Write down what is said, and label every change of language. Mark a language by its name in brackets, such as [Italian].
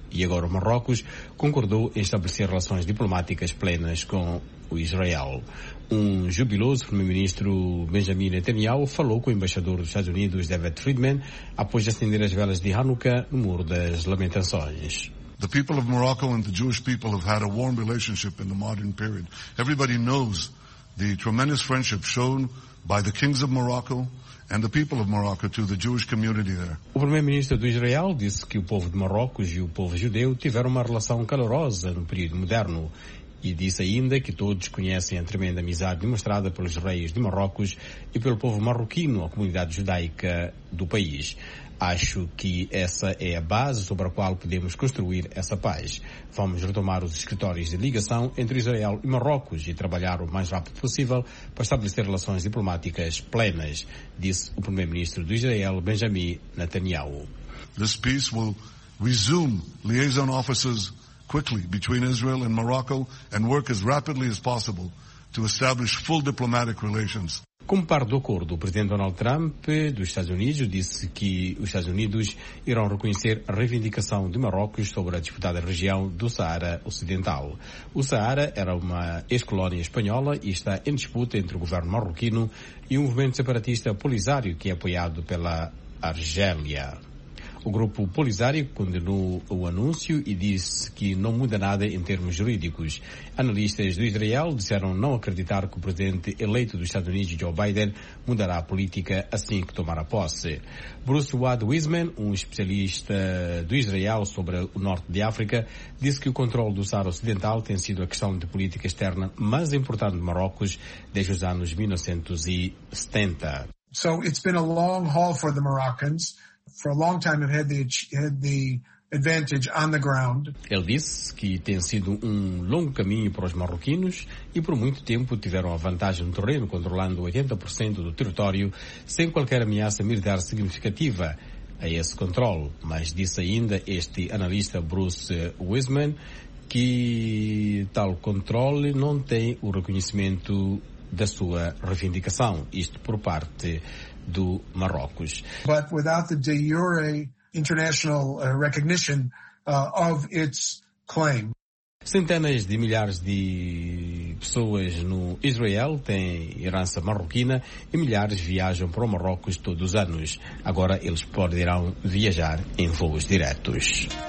[Portuguese] E agora o Marrocos concordou em estabelecer relações diplomáticas plenas com o Israel. Um jubiloso primeiro-ministro Benjamin Netanyahu falou com o embaixador dos Estados Unidos, David Friedman, após acender as velas de Hanukkah no Muro das Lamentações. [English] The people of Morocco and the Jewish people have had a warm relationship in the modern period. Everybody knows the tremendous friendship shown by the kings of Morocco and the people of Morocco to the Jewish community there. [Portuguese] O primeiro-ministro do Israel disse que o povo de Marrocos e o povo judeu tiveram uma relação calorosa no período moderno e disse ainda que todos conhecem a tremenda amizade demonstrada pelos reis de Marrocos e pelo povo marroquino, a comunidade judaica do país. Acho que essa é a base sobre a qual podemos construir essa paz. Vamos retomar os escritórios de ligação entre Israel e Marrocos e trabalhar o mais rápido possível para estabelecer relações diplomáticas plenas, disse o primeiro-ministro do Israel, Benjamin Netanyahu. [English] This peace will resume liaison offices quickly between Israel and Morocco and work as rapidly as possible to establish full diplomatic relations. [Portuguese] Como parte do acordo, o presidente Donald Trump dos Estados Unidos disse que os Estados Unidos irão reconhecer a reivindicação de Marrocos sobre a disputada região do Saara Ocidental. O Saara era uma ex-colónia espanhola e está em disputa entre o governo marroquino e um movimento separatista Polisário, que é apoiado pela Argélia. O grupo Polisário condenou o anúncio e disse que não muda nada em termos jurídicos. Analistas do Israel disseram não acreditar que o presidente eleito dos Estados Unidos, Joe Biden, mudará a política assim que tomar a posse. Bruce Wade Wiseman, um especialista do Israel sobre o norte de África, disse que o controle do Saara Ocidental tem sido a questão de política externa mais importante de Marrocos desde os anos 1970. [English] So it's been a long haul for the Moroccans. For a long time, it had the advantage on the ground. [Portuguese] Ele disse que tem sido um longo caminho para os marroquinos e por muito tempo tiveram a vantagem no terreno, controlando 80% do território sem qualquer ameaça militar significativa a esse controle. Mas disse ainda este analista Bruce Wiseman que tal controle não tem o reconhecimento da sua reivindicação, isto por parte do Marrocos. [English] But without the de jure international recognition of its claim. [Portuguese] Centenas de milhares de pessoas no Israel têm herança marroquina e milhares viajam para o Marrocos todos os anos. Agora eles poderão viajar em voos diretos.